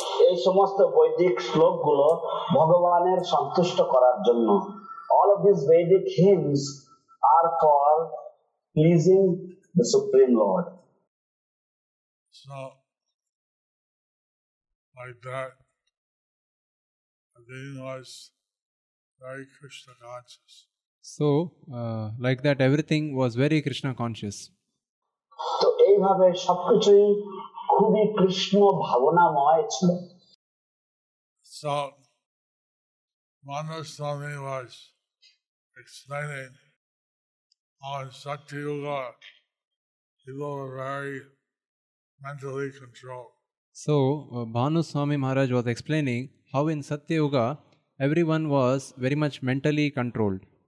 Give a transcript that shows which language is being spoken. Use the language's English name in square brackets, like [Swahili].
[Bangla] এই সমস্ত বৈদিক শ্লোক গুলো ভগবানের সন্তুষ্ট করার জন্য। [English] All of these Vedic hymns are for pleasing the Supreme Lord. So, like that, the beginning was very Krishna conscious. So, everything was very Krishna conscious. [Bangla] So, এইভাবে সবকিছুই খুবই কৃষ্ণ ভাবনাময় ছিল। [English] So, Manaswami was explaining how in Shakti Yuga people were very mentally controlled. So, Bhanuswami Maharaj was explaining how in Satya Yuga everyone was very much mentally controlled.